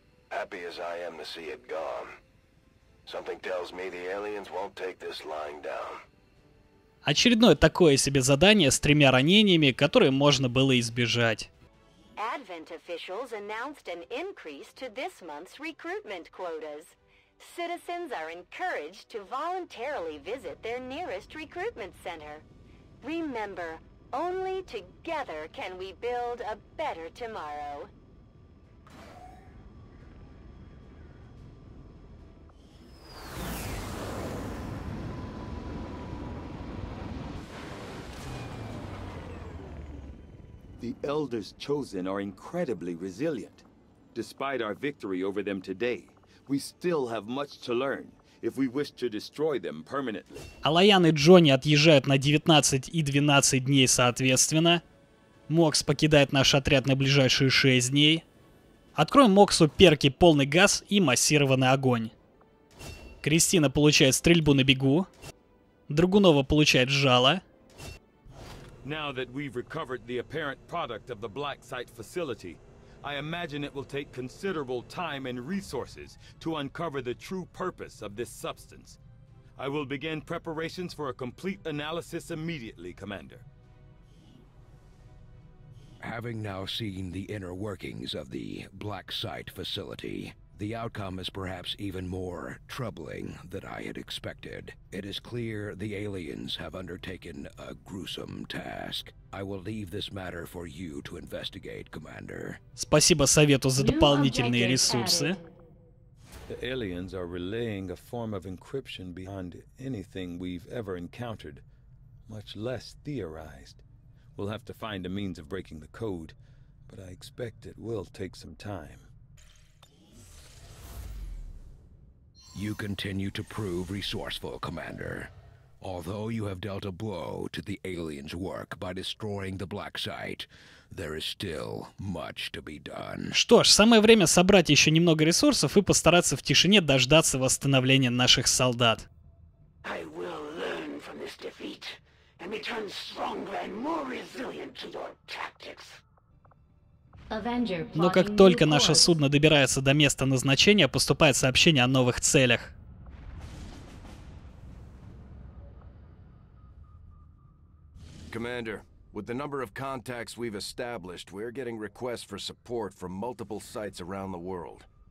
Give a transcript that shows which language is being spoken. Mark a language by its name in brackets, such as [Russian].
[English] Happy as I am to see it gone, something tells me the aliens won't take this lying down. [Russian] Очередное такое себе задание с тремя ранениями, которые можно было избежать. [English] Advent officials announced an increase to this month's recruitment quotas. Citizens are encouraged to voluntarily visit their nearest recruitment center. Remember, only together can we build a better tomorrow. The Elders Chosen are incredibly resilient. Despite our victory over them today, we still have much to learn. If we wish to destroy them permanently. [Russian] Алаян и Джонни отъезжают на 19 и 12 дней соответственно. Мокс покидает наш отряд на ближайшие 6 дней. Откроем Моксу перки полный газ и массированный огонь. Кристина получает стрельбу на бегу. Другунова получает жало. [English] Now that we've recovered the apparent product of the Black Site facility, I imagine it will take considerable time and resources to uncover the true purpose of this substance. I will begin preparations for a complete analysis immediately, Commander. Having now seen the inner workings of the Black Site facility, the outcome is perhaps even more troubling than I had expected. It is clear the aliens have undertaken a gruesome task. I will leave this matter for you to investigate, Commander. [Russian] Спасибо совету за дополнительные ресурсы. [English] The aliens are relaying a form of encryption beyond anything we've ever encountered, much less theorized. We'll have to find a means of breaking the code, but I expect it will take some time. You continue to prove resourceful, Commander. Although you have dealt a blow to the aliens' work by destroying the Black Site, there is still much to be done. [Russian] Что ж, самое время собрать еще немного ресурсов и постараться в тишине дождаться восстановления наших солдат. [English] I will learn from this defeat and return stronger and more resilient to your tactics. [Russian] Но как только наше судно добирается до места назначения, поступает сообщение о новых целях. [English] Commander, with the number of contacts we've established, we're getting requests for support from multiple sites around the world.